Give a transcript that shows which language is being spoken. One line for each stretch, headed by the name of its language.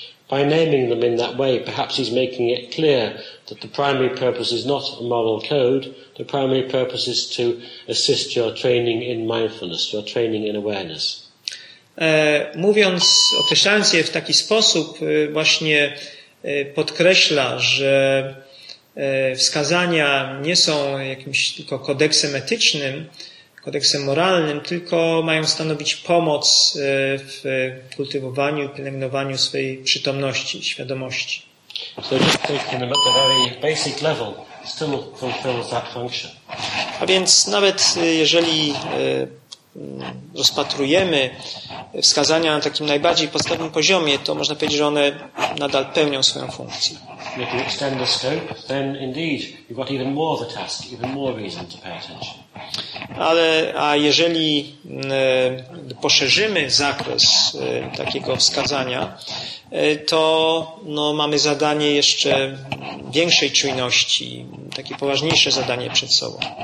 English: By naming them in that way, perhaps he's making it clear that the primary purpose is not a moral code. The primary purpose is to assist your training in mindfulness, your training in awareness.
Polish: Mówiąc, określając je w taki sposób, właśnie podkreśla, że wskazania nie są jakimś tylko kodeksem etycznym, kodeksem moralnym, tylko mają stanowić pomoc w kultywowaniu, pielęgnowaniu swojej przytomności, świadomości.
English: So just taking them at the very basic level still fulfills that function.
Polish: A więc nawet jeżeli rozpatrujemy wskazania na takim najbardziej podstawowym poziomie, to można powiedzieć, że one nadal pełnią swoją funkcję.
English: If you extend the scope, then indeed you've got even more of a task, even more reason to pay attention.
Polish: A jeżeli poszerzymy zakres takiego wskazania, to mamy zadanie jeszcze większej czujności, takie poważniejsze zadanie przed sobą.